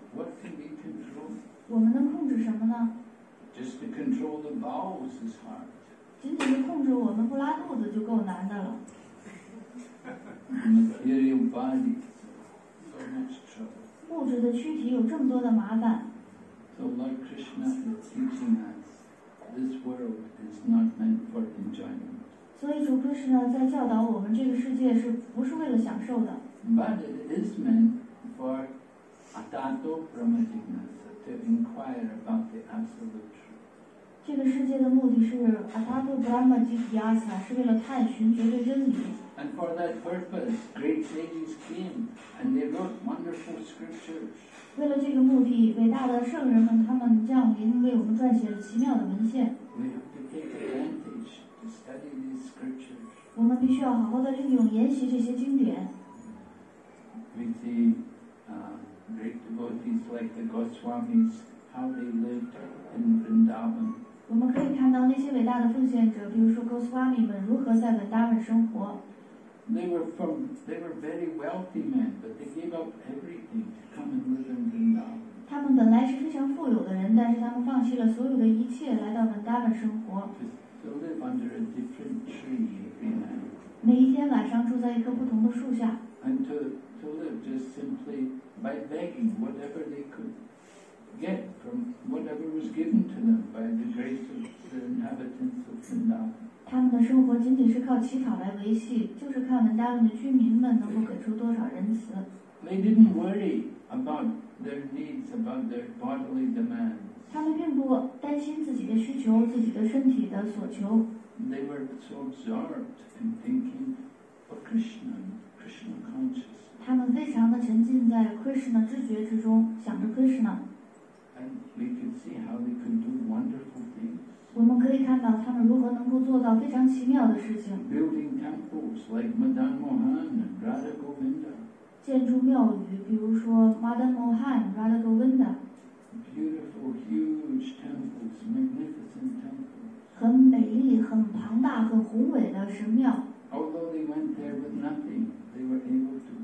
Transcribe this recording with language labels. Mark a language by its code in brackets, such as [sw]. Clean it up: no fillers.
[en] What can we control? [zh] 我们能控制什么呢？ [en] Just to control the bowels is hard. [zh] 仅仅控制我们不拉肚子就够难的了。 [en] Material your body so much trouble. [zh] 物质的躯体有这么多的麻烦。 [en] So Lord Krishna is teaching us, this world is not meant for enjoyment. [zh] 所以主 Krishna 在教导我们，这个世界是不是为了享受的 [en] ？But it is meant for [sa] atato brahmajnana. [en] To inquire about the absolute truth. [zh] 这个世界的目的是 [sa] atato brahma jigyasa, [zh] 是为了探寻绝对真理。 [en] And for that purpose, great sages came and they wrote wonderful scriptures. [zh] 为了这个目的，伟大的圣人们他们降临，为我们撰写了奇妙的文献。 [en] We have to take advantage to study these scriptures. [zh] 我们必须要好好的利用研习这些经典。 [en] We see, Great devotees like the Goswamis, how they lived in Vrindavan. [zh] 我们可以看到那些伟大的奉献者，比如说 Goswami 们如何在 Vrindavan 生活。 [en] They were very wealthy men, but they gave up everything to come and live in Vrindavan. [zh] 他们本来是非常富有的人，但是他们放弃了所有的一切，来到 Vrindavan 生活。 [en] To live under a different tree every night. [zh] 每一天晚上住在一棵不同的树下。 [en] And to live just simply. By begging whatever they could get from whatever was given to them by the grace of the inhabitants of Vrindavan. [zh] 他们的生活仅仅是靠乞讨来维系，就是看Vrindavan的居民们能够给出多少仁慈。 [en] They didn't worry about their needs, about their bodily demands. [zh] 他们并不担心自己的需求，自己的身体的所求。 [en] They were so absorbed in thinking of Krishna, Krishna consciousness. [zh] 他们非常的沉浸在 Krishna 知觉之中，想着 Krishna。 [en] And we can see how they can do wonderful things. [zh] 我们可以看到他们如何能够做到非常奇妙的事情。 [en] Building temples like Madan Mohan and Radha Govinda. [zh] 建筑庙宇，比如说 Madan Mohan, Radha Govinda. [en] Beautiful, huge temples, magnificent temples. [zh] 很美丽、很庞大、很宏伟的神庙。 [en] Although they went there with nothing, they were able to.